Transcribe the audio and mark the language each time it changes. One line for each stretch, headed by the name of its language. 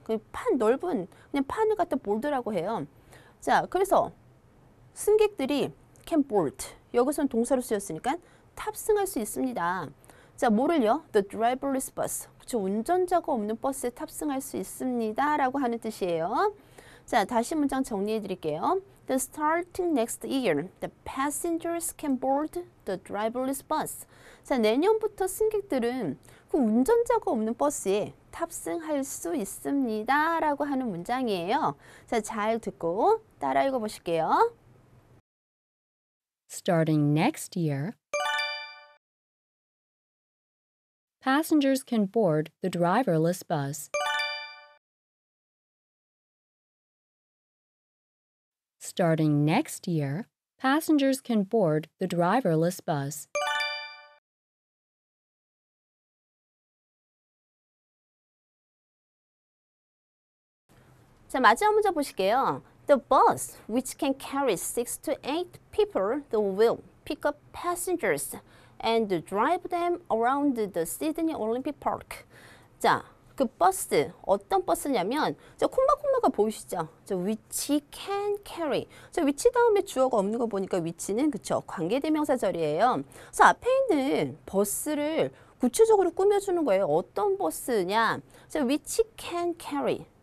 Korean: 그냥 판 넓은 그냥 판을 갖다 board라고 해요. 자, 그래서 승객들이
English: can board.
Korean: 여기서는 동사로 쓰였으니까 탑승할 수 있습니다. 자, 뭐를요?
English: The driverless bus.
Korean: 그렇죠. 운전자가 없는 버스에 탑승할 수 있습니다. 라고 하는 뜻이에요. 자, 다시 문장 정리해 드릴게요.
English: The starting next year, the passengers can board the driverless bus.
Korean: 자, 내년부터 승객들은 그 운전자가 없는 버스에 탑승할 수 있습니다. 라고 하는 문장이에요. 자, 잘 듣고 따라 읽어 보실게요.
English: Starting next year, passengers can board the driverless bus. Starting next year, passengers can board the driverless bus.
Korean: So, 마지막 문제 보실게요.
English: The bus, which can carry 6 to 8 people, the will pick up passengers and drive them around the Sydney Olympic Park.
Korean: 자, 그 버스, 어떤 버스냐면, 자, 콤마콤마가 보이시죠? 자,
English: which can carry.
Korean: 자, which 다음에 주어가 없는 거 보니까 which는, 그쵸, 관계대명사절이에요. 그래서 앞에 있는 버스를 구체적으로 꾸며주는 거예요. 어떤 버스냐. 자,
English: which can carry.